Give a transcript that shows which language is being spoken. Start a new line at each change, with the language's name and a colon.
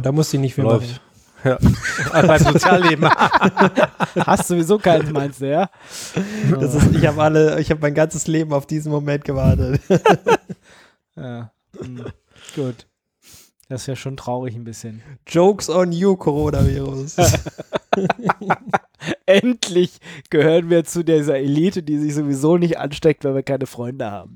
German: Da muss ich nicht viel läuft. Machen. Ja. Beim Sozialleben. Hast sowieso keinen, meinst du, ja? Das ist, ich habe mein ganzes Leben auf diesen Moment gewartet. Ja. Gut. Das ist ja schon traurig ein bisschen.
English: Jokes on you, Coronavirus.
German: Endlich gehören wir zu dieser Elite, die sich sowieso nicht ansteckt, weil wir keine Freunde haben.